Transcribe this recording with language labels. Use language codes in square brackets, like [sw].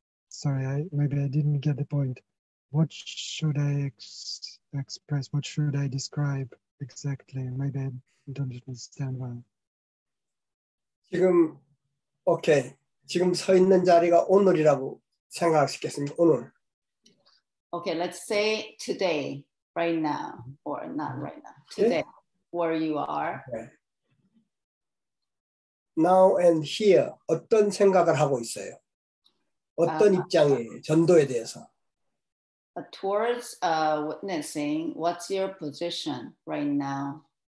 [en] Sorry, maybe I didn't get the point. What should I express? What should I describe exactly? Maybe I don't understand well. [ko] 지금, [en] okay. [ko] 지금 서 있는 자리가 오늘이라고 생각하시겠습니다. 오늘. [en] Okay, let's say today, right now, or not right now. Today, yeah. Where you are. Okay. Now and here, [ko] 어떤 생각을 하고 있어요? 어떤 입장에 전도에 대해서? [en] Towards witnessing, what's your position right now?